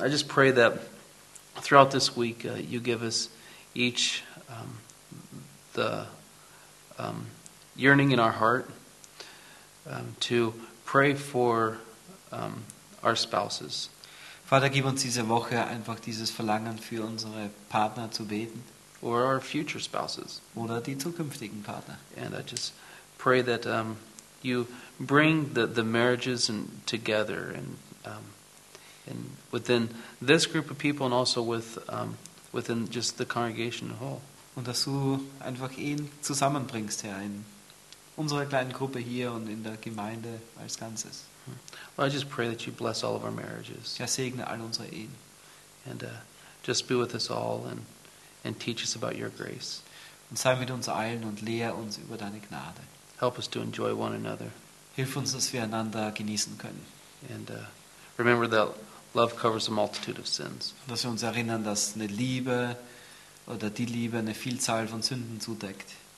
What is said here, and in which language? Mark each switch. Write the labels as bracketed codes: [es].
[en] I just pray that throughout this week you give us each the yearning in our heart to pray for our spouses. [de] Vater, gib uns diese Woche einfach dieses Verlangen für unsere Partner zu beten. [en] Or our future spouses. [de] Oder die zukünftigen Partner. [en] And I just pray that you bring the marriages and together and within this group of people and also with within just the congregation in whole. [de] Und dass du einfach ihn zusammenbringst, Herr, in unserer kleinen Gruppe hier und in der Gemeinde als Ganzes. [en] Well, I just pray that you bless all of our marriages. [de] Ja, segne all unsere Ehen. [en] And just be with us all and teach us about your grace. [de] Und sei mit uns allen und lehre uns über deine Gnade. [en] Help us to enjoy one another. [de] Hilf uns, dass wir einander genießen können. [en] And remember that love covers a multitude of sins. [de] Dass wir uns erinnern, dass eine Liebe oder die Liebe eine Vielzahl von Sünden zudeckt.